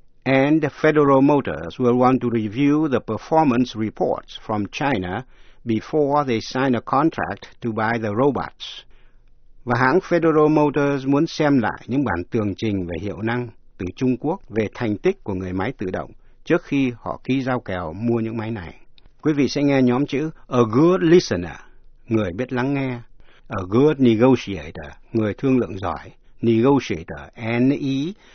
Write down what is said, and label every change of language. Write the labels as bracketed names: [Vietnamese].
[English] And Federal Motors will want to review the performance reports from China before they sign a contract to buy the robots. [Vietnamese] Và hãng Federal Motors muốn xem lại những bản tường trình về hiệu năng từ Trung Quốc về thành tích của người máy tự động trước khi họ ký giao kèo mua những máy này. Quý vị sẽ nghe nhóm chữ [English] A good listener, [Vietnamese] người biết lắng nghe. [English] A good negotiator, [Vietnamese] người thương lượng giỏi. [English] Negotiator, N-E-G-O-T-I-A-T-O-R.